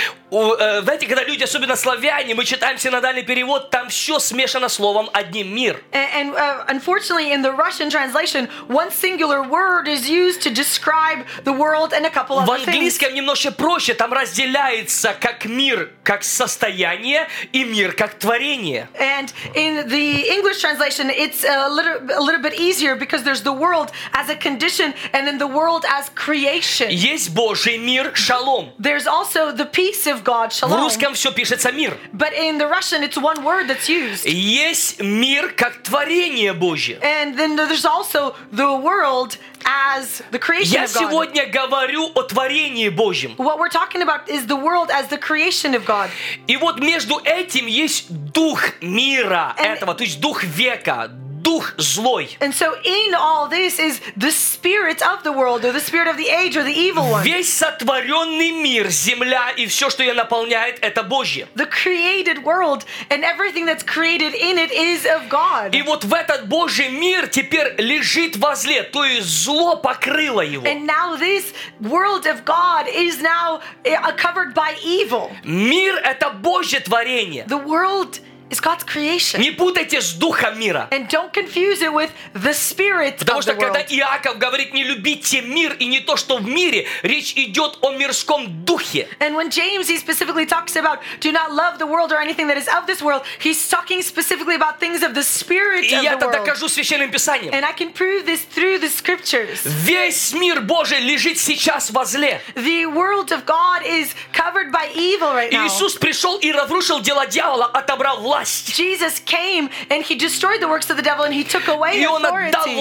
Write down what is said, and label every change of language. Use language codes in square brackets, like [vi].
[ru] Знаете, когда люди, особенно славяне, мы читаем синодальный перевод, там все смешано словом одним мир. [en] And unfortunately, in the Russian translation, one singular word is used to describe the world and a couple other things. [ru] В английском немножко проще, там разделяется как мир, как состояние, и мир, как творение. [en] And in the English translation, it's a little bit easier because there's the world as a condition and then the world as creation. [ru] Есть Божий мир, шалом. [en] There's also the peace of God, shalom. [ru] В русском все пишется мир. [en] But in the Russian, it's one word that's used. [ru] Есть мир как творение Божье. [en] And then there's also the world as the creation [ru] Я [en] of God. [ru] Я сегодня говорю о творении Божьем. [en] What we're talking about is the world as the creation of God. [ru] И вот между этим есть дух мира And этого, то есть дух века. Дух злой. [en] And so in all this is the spirit of the world, or the spirit of the age, or the evil one. [ru] Весь сотворенный мир, земля и все, что ее наполняет, это Божье. [en] The created world and everything that's created in it is of God. [ru] И вот в этот Божий мир теперь лежит во зле, то есть зло покрыло его. [en] And now this world of God is now covered by evil. [ru] Мир это Божье творение. [en] The world It's God's creation. [ru] Не путайте с духом мира. [en] And don't confuse it with the spirit [ru] Потому что [en] of the [ru] когда [en] world. [ru] Иаков говорит не любите мир и не то, что в мире, речь идет о мирском духе. [en] And when James he specifically talks about do not love the world or anything that is of this world, he's talking specifically about things of the spirit [ru] и [en] of the world. [ru] И я это докажу священным писанием. [en] And I can prove this through the scriptures. [ru] Весь мир Божий лежит сейчас во зле. [en] The world of God is covered by evil right now. [ru] Иисус пришел и разрушил дела дьявола, отобрал [en] Jesus came and he destroyed the works of the devil and he took away authority.